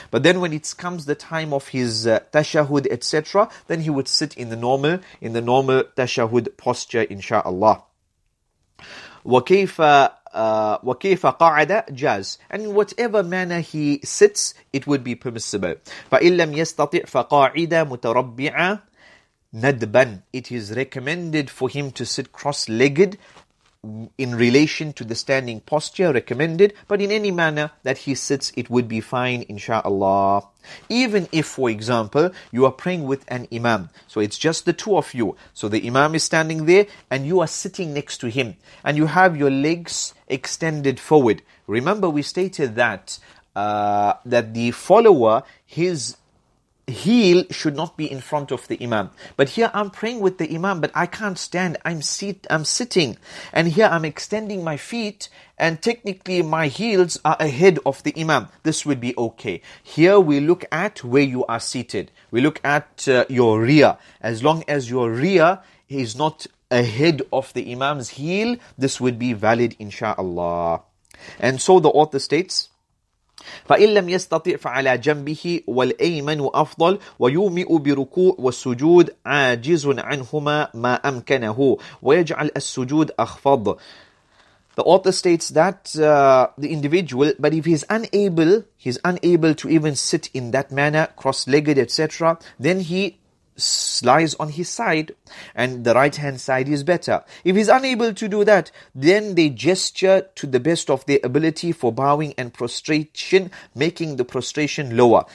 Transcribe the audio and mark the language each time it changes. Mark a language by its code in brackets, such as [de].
[en] But then when it comes the time of his tashahud, etc., then he would sit in the normal tashahud posture, insha'Allah. [ar] وكيف قاعدة جاز. [en] And whatever manner he sits, it would be permissible. [ar] فإن لم يستطع فقاعدة متربعة ندبا. [en] It is recommended for him to sit cross-legged in relation to the standing posture recommended. But in any manner that he sits, it would be fine, inshallah. Even if, for example, you are praying with an imam, so it's just the two of you, so the imam is standing there and you are sitting next to him and you have your legs extended forward. Remember, we stated that that the follower, his heel should not be in front of the imam. But here I'm praying with the imam, but I can't stand. I'm sitting. And here I'm extending my feet, and technically my heels are ahead of the imam. This would be okay. Here we look at where you are seated. We look at your rear. As long as your rear is not ahead of the imam's heel, this would be valid, inshallah. And so the author states, [ar] فإن لم يستطع فعلى جنبه والأيمن أفضل ويومئ بركوع والسجود عاجز عنهما ما أمكنه ويجعل السجود أخفض. [en] The author states that the individual, but if he's unable to even sit in that manner, cross-legged, etc., then he lies on his side and the right hand side is better. If he's unable to do that, then they gesture to the best of their ability for bowing and prostration, making the prostration lower.